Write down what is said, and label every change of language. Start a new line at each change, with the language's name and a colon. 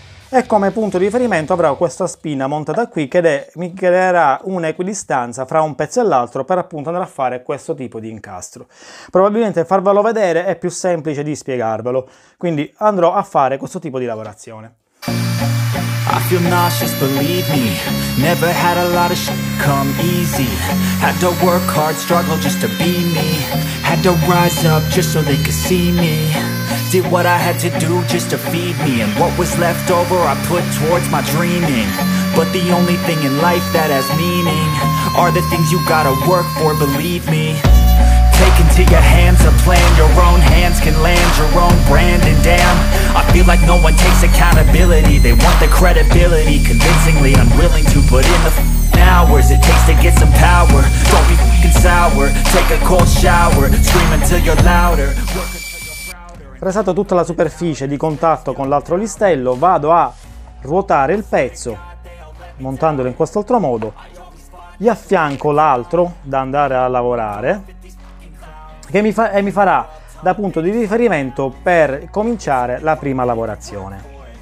Italian: E come punto di riferimento avrò questa spina montata qui che mi creerà un'equidistanza fra un pezzo e l'altro per appunto andare a fare questo tipo di incastro. Probabilmente farvelo vedere è più semplice di spiegarvelo, quindi andrò a fare questo tipo di lavorazione.
English: I feel nauseous, believe me. Never had a lot of shit come easy. Had to work hard, struggle just to be me. Had to rise up just so they could see me. Did what I had to do just to feed me. And what was left over I put towards my dreaming. But the only thing in life that has meaning are the things you gotta work for, believe me. Take into your hands a plan. Your own hands can land your own brand. And damn, I feel like no one takes accountability. They want the credibility, convincingly unwilling to put in the hours it takes to get some power. Don't be f***ing sour, take a cold shower. Scream until you're louder.
Italian: Presato tutta la superficie di contatto con l'altro listello, vado a ruotare il pezzo, montandolo in quest'altro modo. Gli affianco l'altro da andare a lavorare, che mi farà da punto di riferimento per cominciare la prima lavorazione.